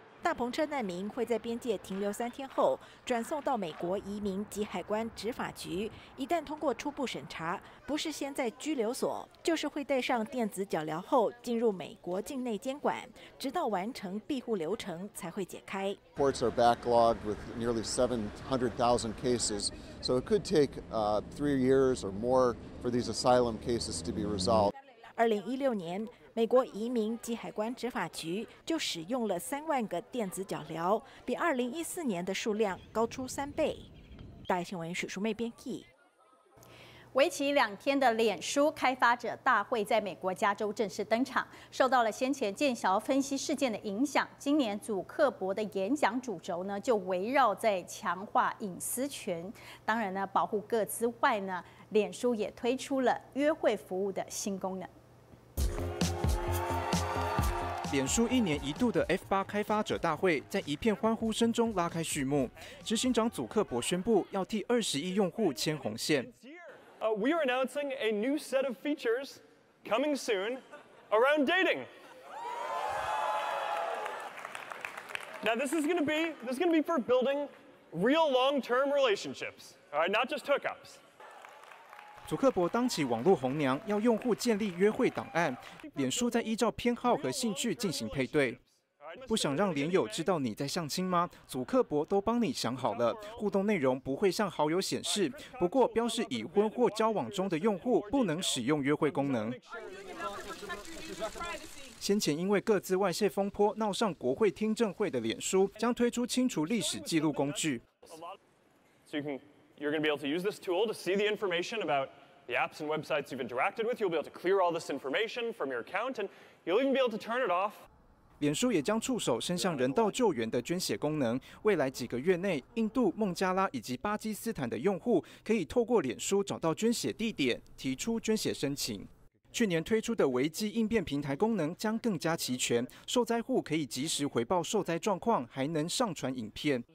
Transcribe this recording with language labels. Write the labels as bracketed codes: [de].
[zh] 大篷车难民会在边界停留三天后，转送到美国移民及海关执法局。一旦通过初步审查，不是先在拘留所，就是会带上电子脚镣后进入美国境内监管，直到完成庇护流程才会解开。 [en] Ports are backlogged with nearly 700,000 cases, so it could take three years or more for these asylum cases to be resolved. [zh] 2016年。美国移民及海关执法局就使用了30,000个电子脚镣，比2014年的数量高出3倍。大新闻许淑妹编辑。为期2天的脸书开发者大会在美国加州正式登场，受到了先前剑桥分析事件的影响，今年祖克伯的演讲主轴呢就围绕在强化隐私权，当然呢保护个资外呢，脸书也推出了约会服务的新功能。脸书一年一度的 F8 开发者大会在一片欢呼声中拉开序幕，执行长祖克伯宣布要替20亿用户牵红线。 [en] We are announcing a new set of features coming soon around dating. Now this is going to be for building real long-term relationships, all right, not just hookups. [zh] 祖克伯当起网络红娘，要用户建立约会档案，脸书在依照偏好和兴趣进行配对。不想让脸友知道你在相亲吗？祖克伯都帮你想好了，互动内容不会向好友显示，不过标示已婚或交往中的用户不能使用约会功能。先前因为各自外泄风波闹上国会听证会的脸书，将推出清除历史记录工具。 [en] You're going to be able to use this tool to see the information about the apps and websites you've interacted with. You'll be able to clear all this information from your account, and you'll even be able to turn it off. [zh] 脸书也将触手伸向人道救援的捐血功能。未来几个月内，印度、孟加拉以及巴基斯坦的用户可以透过脸书找到捐血地点，提出捐血申请。去年推出的危机应变平台功能将更加齐全，受灾户可以及时回报受灾状况，还能上传影片。